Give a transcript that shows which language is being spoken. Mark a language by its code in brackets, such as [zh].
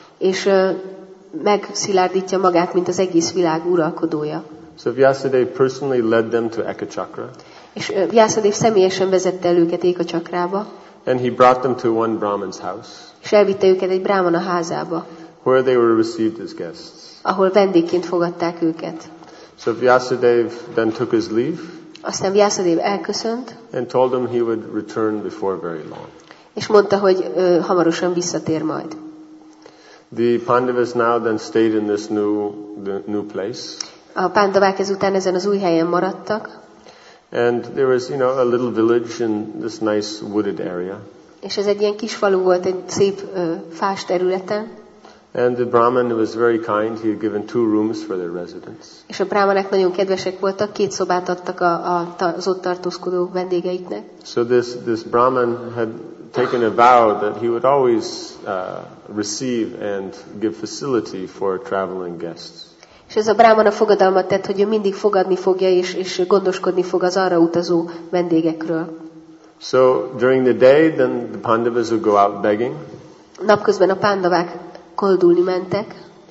[hu] És megszilárdítja magát, mint az egész világ uralkodója. [en] So Vyasadeva personally led them to Ekachakra. [hu] És Vyasadeva személyesen vezette el őket Ekachakrába. [en] And he brought them to one Brahmin's house. [hu] És elvitte őket egy brámana házába. [en] Where they were received as guests. [hu] Ahol vendégként fogadták őket. [en] So Vyasadeva then took his leave. [hu] Aztán Vyasadeva elköszönt. [en] And told him he would return before very long. [hu] És mondta, hogy hamarosan visszatér majd. [en] The Pandavas now then stayed in this new place. [hu] A Pandavák ezután ezen az új helyen maradtak. [en] And there was, a little village in this nice wooded area. [hu] És ez egy ilyen kis falu volt, egy szép fás területen. [en] And the Brahmin was very kind. He had given two rooms for their residence. [hu] És a brahmanek nagyon kedvesek voltak, két szobát adtak az ott tartózkodó vendégeiknek. [en] So this Brahmin had taken a vow that he would always receive and give facility for traveling guests. [hu] És ez a brahman a fogadalmat tett, hogy ő mindig fogadni fogja és gondoskodni fog az arra utazó vendégekről. [en] So during the day, then the Pandavas would go out begging. [hu] Napközben a Pandavák koldulni mentek.